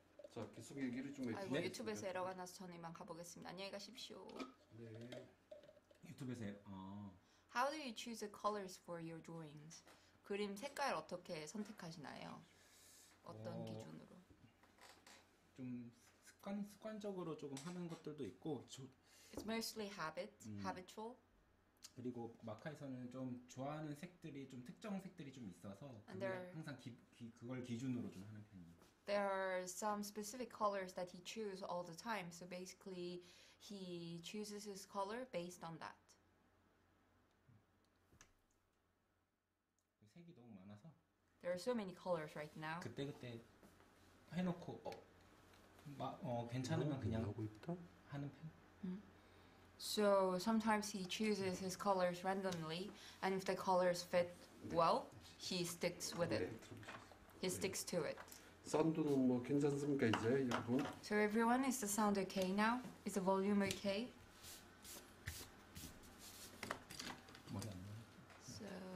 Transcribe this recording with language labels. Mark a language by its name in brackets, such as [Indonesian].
[Korean] 자, 계속 얘기를 좀 해주세요. 아이고, 유튜브에서 에러가 나서 저는 이만 가보겠습니다. 안녕히 가십시오. 네. 유튜브에서 [English] How do you choose the colors for your drawings? [Korean] 그림 색깔 어떻게 선택하시나요? 어떤 기준으로? 좀 습관적으로 조금 하는 것들도 있고 [English] It's mostly habit, habitual. [Korean] 그리고 마카에서는 좀 좋아하는 색들이 좀 특정 색들이 좀 있어서 항상 그걸 기준으로 좀 하는 편이에요. [English] There are some specific colors that he chooses all the time. So basically, he chooses his color based on that. [Korean] 색이 너무 많아서. [English] There are so many colors right now. [Korean] 그때 해놓고 괜찮으면 그냥 하고 있다 하는 편. [English] So sometimes he chooses his colors randomly, and if the colors fit well, he sticks with it. He sticks to it. [Korean] 사운드는 뭐 괜찮습니까 이제 여러분? [English] So everyone, is the sound okay now? Is the volume okay? So